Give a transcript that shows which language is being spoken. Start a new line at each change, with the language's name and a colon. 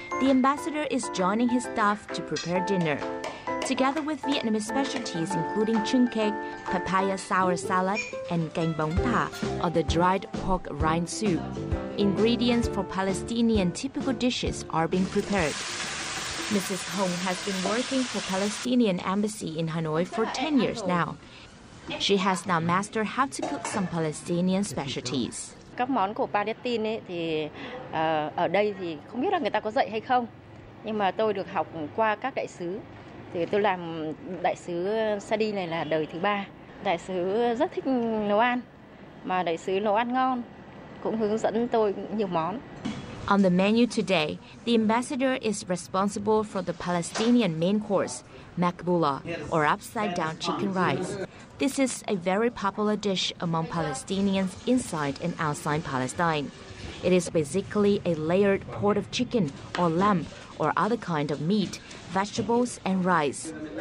English: The ambassador is joining his staff to prepare dinner. Together with Vietnamese specialties including chung cake, papaya sour salad, and canh bóng tha, or the dried pork rind soup, ingredients for Palestinian typical dishes are being prepared. Mrs. Hong has been working for Palestinian embassy in Hanoi for 10 years now. She has now mastered how to cook some Palestinian specialties.
Vietnamese: Các món của Palestine ấy, thì ở đây thì không biết là người ta có dạy hay không. Nhưng mà tôi được học qua các đại sứ. Thì tôi làm đại sứ Sadi này là đời thứ ba. Đại sứ rất thích nấu ăn. Mà đại sứ nấu ăn ngon cũng hướng dẫn tôi nhiều món.
English: On the menu today, the ambassador is responsible for the Palestinian main course, makbula, or upside-down chicken rice. This is a very popular dish among Palestinians inside and outside Palestine. It is basically a layered pot of chicken or lamb or other kind of meat, vegetables and rice.